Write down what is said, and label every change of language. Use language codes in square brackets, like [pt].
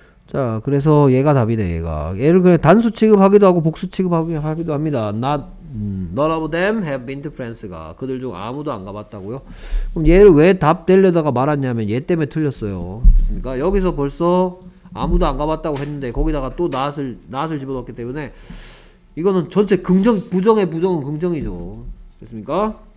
[ko] 자, 그래서 얘가 답이네, 얘가. 얘를 그냥 단수 취급하기도 하고 복수 취급하기도 합니다. [en] Not, none of them have been to France가. [ko] 그들 중 아무도 안 가봤다고요? 그럼 얘를 왜 답되려다가 말았냐면 얘 때문에 틀렸어요. 됐습니까? 여기서 벌써 아무도 안 가봤다고 했는데 거기다가 또 not을 집어넣었기 때문에 이거는 전체 긍정, 부정의 부정은 긍정이죠. 됐습니까?